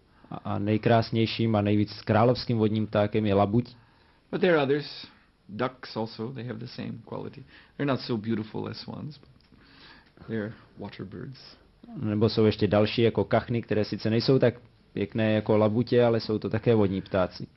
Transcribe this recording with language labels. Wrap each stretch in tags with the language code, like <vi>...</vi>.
<cs>A nejkrásnějším a nejvíc královským vodním ptákem je labuť.</cs> <en>But there are others. Ducks also, they have the same quality. They're not so beautiful as swans, but they're water birds.</en> <cs>Nebo jsou ještě další jako kachny, které sice nejsou tak pěkné jako labutě, ale jsou to také vodní ptáci.</cs>